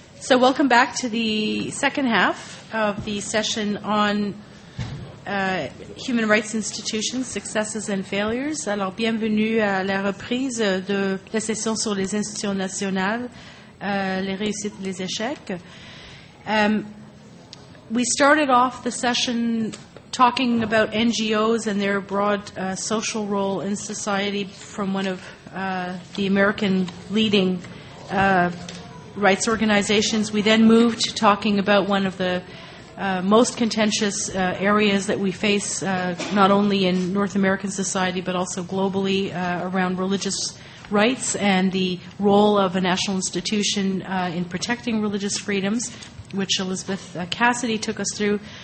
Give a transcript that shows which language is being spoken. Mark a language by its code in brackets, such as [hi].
[en] So welcome back to the second half of the session on human rights institutions, successes and failures. [fr] Alors, bienvenue à la reprise de la session sur les institutions nationales, les réussites, les échecs. [en] We started off the session talking about NGOs and their broad social role in society from one of the American leading rights organizations. We then moved to talking about one of the most contentious areas that we face, not only in North American society, but also globally, around religious rights and the role of a national institution in protecting religious freedoms, which Elizabeth Cassidy took us through.